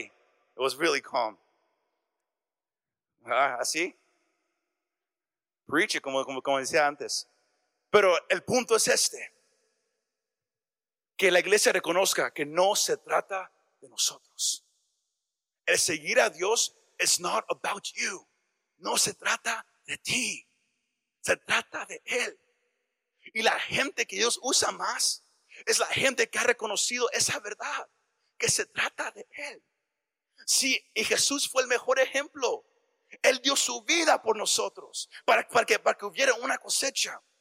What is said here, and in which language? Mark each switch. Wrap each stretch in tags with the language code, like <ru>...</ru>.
<en>It was really calm.</en> <es>¿Así?</es> <en>Preach it,</en> <es>como decía antes. Pero el punto es este: que la iglesia reconozca que no se trata de nosotros. El seguir a Dios,</es> <en>it's not about you.</en> <es>No se trata de ti. Se trata de Él. Y la gente que Dios usa más es la gente que ha reconocido esa verdad, que se trata de Él. Sí, y Jesús fue el mejor ejemplo. Él dio su vida por nosotros para que hubiera una cosecha.</es>